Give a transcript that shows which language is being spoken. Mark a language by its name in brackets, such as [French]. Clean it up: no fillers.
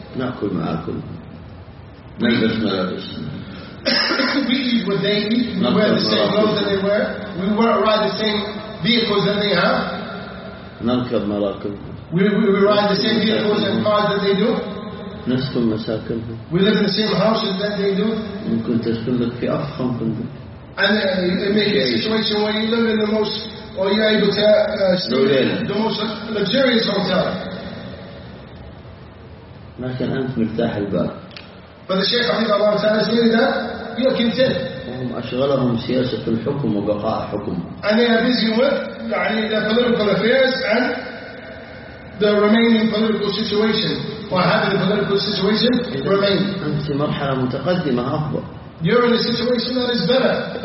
[Arabic] نأكل معكم نلبس ملابس. [English] We eat what they eat. We wear the same clothes that they wear. We wear ride the same vehicles that they have. [Arabic] نركب مراكب. [English] We ride the same vehicles and cars that they do. [Arabic] نسكن مساكنهم. [English] We live in the same houses that they do. [Arabic] ممكن تسكن لك في أفخم فندق. [English] And maybe a situation where you live in the most or you're able to stay in the most luxurious hotel. [Arabic] لكن أنت مرتاح البال. [English] But the Shaykh Hafidh Allah Ta'ala said that you are content. [Arabic] هم أشغلهم سياسة الحكم وبقاء حكم. [English] And they are busy with [Arabic] يعني [English] their political affairs and the remaining political situation. [Arabic] وهذه [English] political situation remain. [Arabic] أنت في مرحلة متقدمة أفضل. [English] You're in a situation that is better.